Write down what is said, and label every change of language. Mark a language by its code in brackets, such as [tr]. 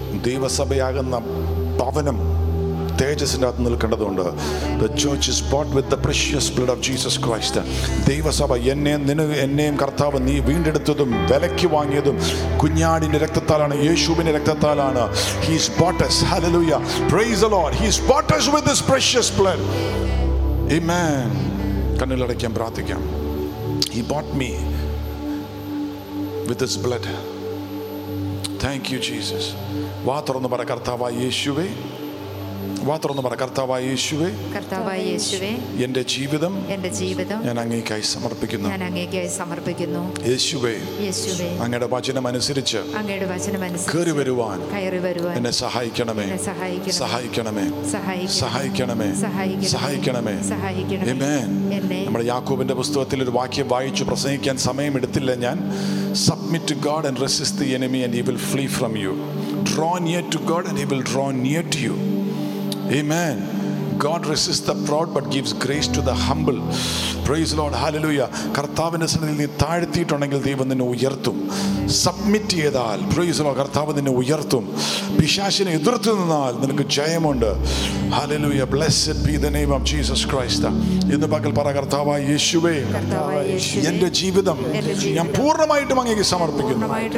[ml] ദൈവസഭയാകുന്ന ഭവനം തേജസ്സിന്റെ അകത്ത് നിൽക്കേണ്ടതുണ്ട്. [en] The church is bought with the precious blood of Jesus Christ. [ml] ദൈവസഭ എന്നെ നിനു എന്നെയും കർത്താവ് നീ വീണ്ടെടുത്തതും വിലയ്ക്ക് വാങ്ങിയതും കുഞ്ഞാടിന്റെ രക്തത്താലാണ്, യേശുവിന്റെ രക്തത്താലാണ്. [en] He has bought us. Hallelujah. Praise the Lord. He has bought us with this precious blood. Amen. [ml] കണ്ണുകളടയ്ക്കാൻ പ്രാർത്ഥിക്കാം. [en] He bought me with his blood. Thank you Jesus. [ml] വാ തുറന്ന് പറ, കർത്താവായ യേശുവേ, വാ തുറന്ന് പറ, കർത്താവായ യേശുവേ, കർത്താവായ യേശുവേ, എൻ്റെ ജീവിതം, എൻ്റെ ജീവിതം ഞാൻ അങ്ങേയ്ക്കായി സമർപ്പിക്കുന്നു, ഞാൻ അങ്ങേയ്ക്കായി സമർപ്പിക്കുന്നു. യേശുവേ, യേശുവേ, അങ്ങയുടെ വചനം അനുസരിച്ച്, അങ്ങയുടെ വചനം അനുസരിച്ച് കയറി വരുവാൻ, കയറി വരുവാൻ എന്നെ സഹായിക്കണമേ, എന്നെ സഹായിക്കണമേ, സഹായിക്കണമേ, സഹായിക്കണമേ, സഹായിക്കണമേ, സഹായിക്കണമേ, സഹായിക്കണമേ, സഹായിക്കണമേ. ആമേൻ. എന്നെ നമ്മുടെ യാക്കോബിന്റെ പുസ്തകത്തിൽ ഒരു വാക്യം വായിച്ചു പ്രസംഗിക്കാൻ സമയം എടുത്തില്ല ഞാൻ. [en] Submit to God and resist the enemy and he will flee from you. Draw near to God and he will draw near to you. Amen. God resists the proud but gives grace to the humble. Praise the Lord. Hallelujah. [ml] കർത്താവിന്റെ സന്നിധിയിൽ നീ താഴ്ത്തിയിട്ടുണ്ടെങ്കിൽ ദൈവം നിന്നെ ഉയർത്തും. Submit ചെയ്താൽ, [en] praise the Lord, [ml] കർത്താവ് നിന്നെ ഉയർത്തും. പിശാചിനെ എതിർത്ത് നിന്നാൽ നിനക്ക് ജയമുണ്ട്. Hallelujah. [en] Blessed be the name of Jesus Christ. [ml] ഇന്ന് പകൽ പറ, കർത്താവായ യേശുവേ, എന്റെ ജീവിതം ഞാൻ പൂർണ്ണമായിട്ടും അങ്ങേക്ക് സമർപ്പിക്കുന്നു.